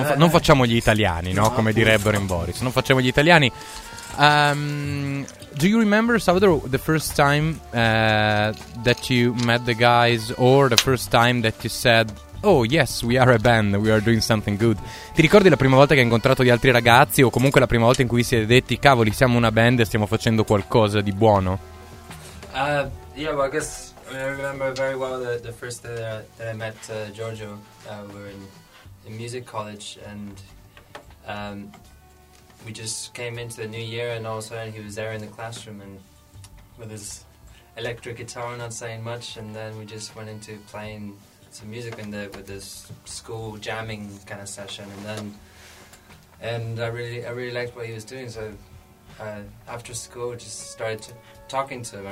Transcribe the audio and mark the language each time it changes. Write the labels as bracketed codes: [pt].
[it] Non facciamo gli italiani, no? Come direbbero in Boris. Non facciamo gli italiani. [en] Do you remember, Salvador, the first time that you met the guys, or the first time that you said, oh yes, we are a band, we are doing something good? [it] Ti ricordi la prima volta che hai incontrato gli altri ragazzi, o comunque la prima volta in cui si è detti, cavoli, siamo una band e stiamo facendo qualcosa di buono? [en] I guess I remember very well the first day that I met Giorgio. We were in music college, and we just came into the new year, and all of a sudden he was there in the classroom and with his electric guitar, not saying much, and then we just went into playing some music in there with this school jamming kind of session, and I really liked what he was doing, so after school just started talking to him.